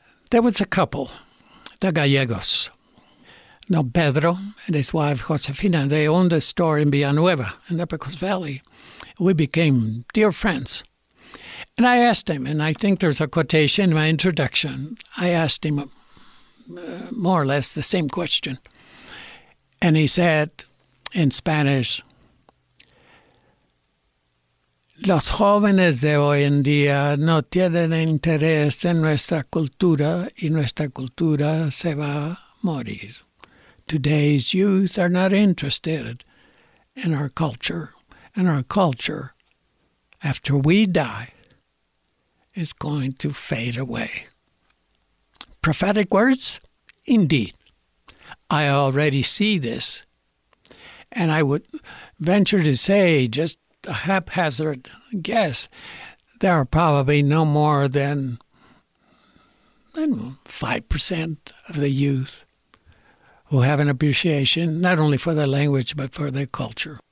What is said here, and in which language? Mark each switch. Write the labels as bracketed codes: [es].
[en] There was a couple, the Gallegos. No, Pedro and his wife, Josefina, they owned a store in Villanueva, in the Pecos Valley. We became dear friends. And I asked him, and I think there's a quotation in my introduction, I asked him more or less the same question. [es] And he said in Spanish, "Los jóvenes de hoy en día no tienen interés en nuestra cultura, y nuestra cultura se va a morir. [en] Today's youth are not interested in our culture, and our culture, after we die, is going to fade away." Prophetic words? Indeed. I already see this. And I would venture to say, just a haphazard guess, there are probably no more than 5% of the youth who have an appreciation, not only for their language, but for their culture.